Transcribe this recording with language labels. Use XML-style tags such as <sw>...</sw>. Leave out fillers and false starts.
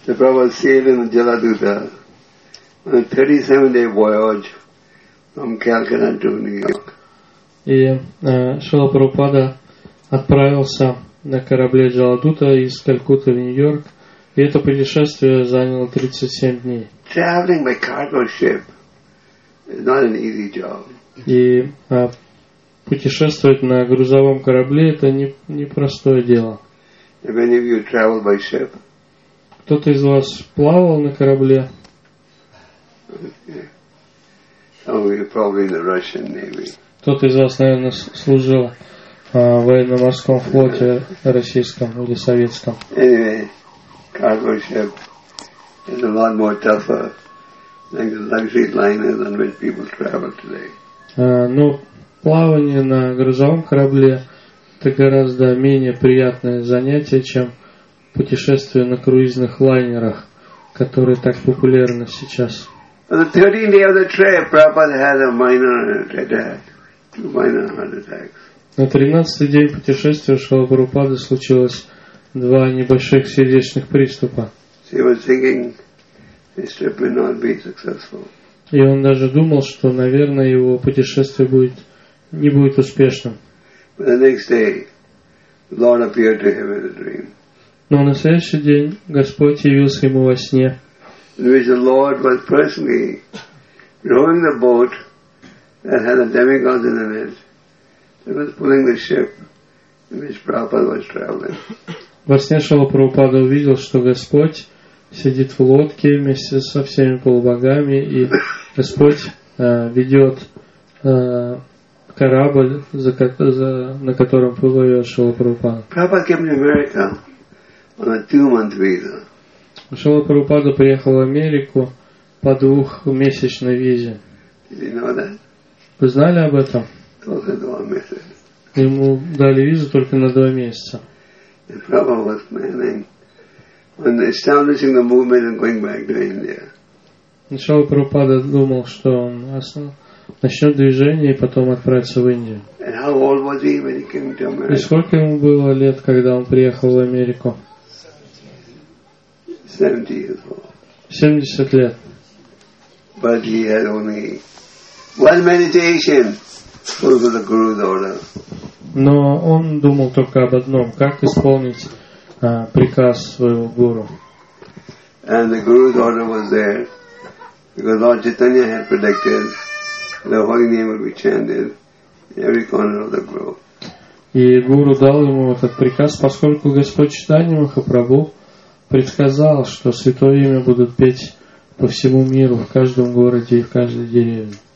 <en>The Prabhupada sailed in the Джаладута on a 37-day voyage from Calcutta to New York.</en> <ru>И Шрила Прабхупада отправился на корабле Джаладута из Калькутты в Нью-Йорк И это путешествие заняло 37 дней.</ru> <en>Traveling by cargo ship is not an easy job.</en> <ru>И путешествовать на грузовом корабле это непростое дело.</ru> <en>Have any of you traveled by ship?</en> <ru>Кто-то из вас плавал на корабле?</ru> <en>Some of you probably in the Russian Navy.</en> <ru>Кто-то из вас, наверное, служил в военно-морском флоте российском или советском.</ru> <en>Anyway, cargo ship is a lot more tougher than the luxury liners on which people travel today.</en> <ru>Но плавание на грузовом корабле это гораздо менее приятное занятие, чем путешествие на круизных лайнерах, которые так популярны сейчас.</ru> <en>On the 13th day of the trip, Prabhupada had a minor attack. Two minor heart attacks.</en> <ru>На 13-й день путешествия Шрила Прабхупады случилось два небольших сердечных приступа.</ru> <en>He was thinking his trip would not be successful.</en> <ru>И он даже думал, что, наверное, его путешествие будет не будет успешным.</ru> <en>But the next day, the Lord appeared to him in a dream.</en> <ru>Но на следующий день Господь явился ему во сне.</ru> <en>In which the Lord was personally rowing the boat that had a demigod in it. He was pulling the ship in which Prabhupada was traveling.</en> <ru>Во сне Шрила Прабхупада увидел, что Господь сидит в лодке вместе со всеми полубогами, и Господь ведет корабль, на котором плывет Шрила Прабхупада.</ru> <en>Prabhupada came to America on a 2-month visa.</en> <ru>Шрила Прабхупада приехал в Америку по двухмесячной визе.</ru> <en>Did you know that?</en> <ru>Вы знали об этом? Только 2 месяца. Ему дали визу только на 2 месяца.</ru> <en>And Prabhupada was planning on establishing the movement and going back to India.</en> <ru>Шрила Прабхупада думал, что он начнет движение и потом отправится в Индию.</ru> <en>And how old was he when he came to America?</en> <ru>И сколько ему было лет, когда он приехал в Америку? 70 лет.</ru> <en>But he had only one meditation over the Guru's order.</en> <ru>Но он думал только об одном, как исполнить приказ своего гуру.</ru> <en>And the Guru's order was there, because Lord Chaitanya had predicted the holy name would be chanted in every corner of the globe.</en> <ru>И гуру дал ему этот приказ, поскольку Господь Чайтанья Махапрабху предсказал, что святое имя будут петь по всему миру, в каждом городе и в каждой деревне.</ru>